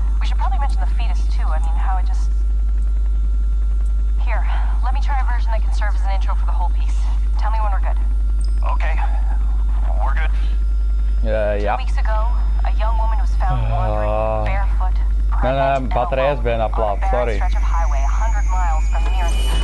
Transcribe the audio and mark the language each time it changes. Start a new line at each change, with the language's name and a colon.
English: We should probably mention the fetus, too. I mean, how it just... Here, let me try a version that can serve as an intro for the whole piece. Tell me when we're good. Okay. We're good. Yeah. 2 weeks ago, a young woman was found wandering barefoot.
Dutch: Mijn batterij is bijna plat, sorry.
English: Highway, 100 miles from the nearest...